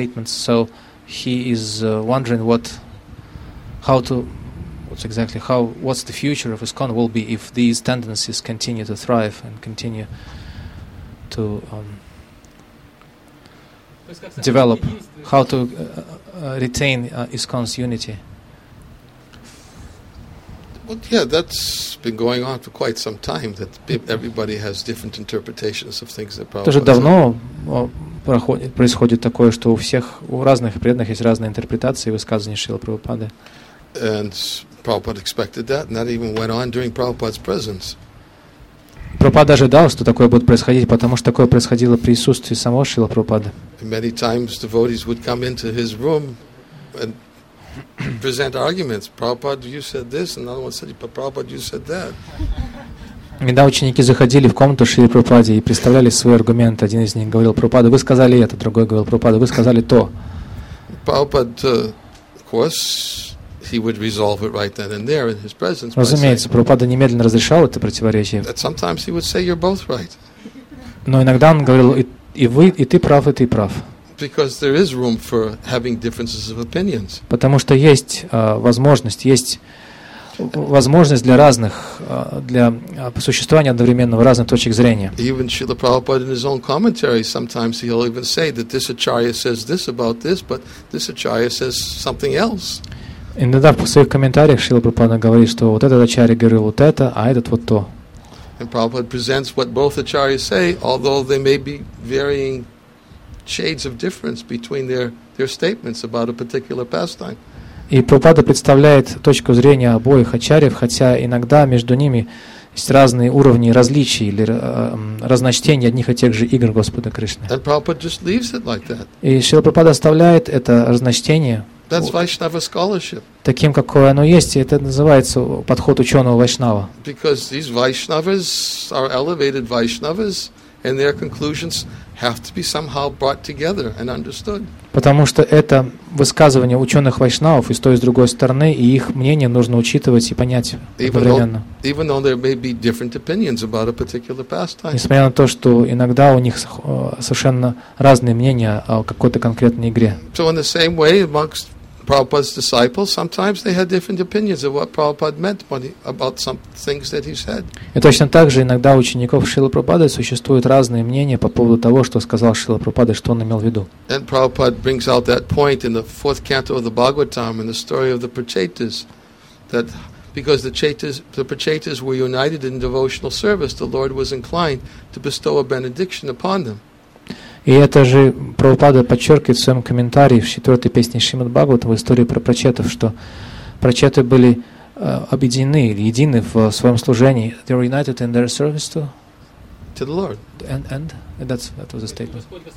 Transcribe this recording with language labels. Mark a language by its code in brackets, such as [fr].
[en] So he is wondering what's the future of ISKCON will be if these tendencies continue to thrive and continue to develop, how to retain ISKCON's unity. Well, yeah, that's been going on for quite some time, that everybody has different interpretations of things that Prabhupada [ru] Тоже давно происходит такое, что у всех, у разных преданных есть разные интерпретации высказываний Шрилы Прабхупады. [en] And Prabhupada expected that, and that even went on during Prabhupada's presence. [ru] Прабхупада ожидал, что такое будет происходить, потому что такое происходило при присутствии самого Шрилы Прабхупады. [en] Many times devotees would come into his room and present arguments. Prabhupada, you said this, and another one said, but Prabhupada, you said that. [ru] Иногда ученики заходили в комнату Шрилы Прабхупады и представляли свой аргумент. Один из них говорил: Прабхупада, вы сказали это. Другой говорил: Прабхупада, вы сказали то. [en] Prabhupada, of course, he would resolve it right then and there in his presence. [ru] Разумеется, Прабхупада немедленно разрешал это противоречие. [en] But sometimes he would say, you're both right. [ru] Но иногда он говорил: и ты прав, и ты прав. [en] Because there is room for having differences of opinions. [ru] Потому что есть возможность для разных, для существования одновременно в разных точек зрения. [en] Even Srila Prabhupada in his own commentary, sometimes he'll even say that this acharya says this about this, but this acharya says something else. [ru] Иногда в своих комментариях Шрила Прабхупада говорит, что вот этот ачарья говорил вот это, а этот вот то. [en] And Prabhupada presents what both acharyas say, although they may be varying shades of difference between their statements about a particular pastime. [ru] И Прабхупада представляет точку зрения обоих ачарьев, хотя иногда между ними есть разные уровни различий или разночтений одних и тех же игр Господа Кришны. [en] And Prabhupada just leaves it like that. [ru] И Шрила Прабхупада оставляет это разночтение. [en] That's Vaishnava scholarship. [ru] Таким, какое оно есть, и это называется подход ученого Вайшнава. [en] Because these Vaishnavas are elevated Vaishnavas, and their conclusions have to be somehow brought together and understood. [ru] Потому что это высказывание ученых Вайшнавов из той и с другой стороны, и их мнение нужно учитывать и понять одновременно. [en] Even though there may be different opinions about a particular pastime. [ru] Несмотря на то, что иногда у них совершенно разные мнения о какой-то конкретной игре. [en] So in the same way, amongst Prabhupada's disciples, sometimes they had different opinions of what Prabhupada meant about some things that he said. [ru] И точно так же иногда у учеников Шрилы Прабхупады существуют разные мнения по поводу того, что сказал Шрила Прабхупада, что он имел в виду. [en] And Prabhupada brings out that point in the fourth canto of the Bhagavatam in the story of the Prachetas, that because the Prachetas were united in devotional service, the Lord was inclined to bestow a benediction upon them. [ru] И это же Прабхупада подчеркивает в своем комментарии в четвертой песне Шримад Бхагаватам в истории про прачетов, что прачеты были объединены или едины в своем служении. [en] They were united in their service to the Lord. And that's, that was the statement.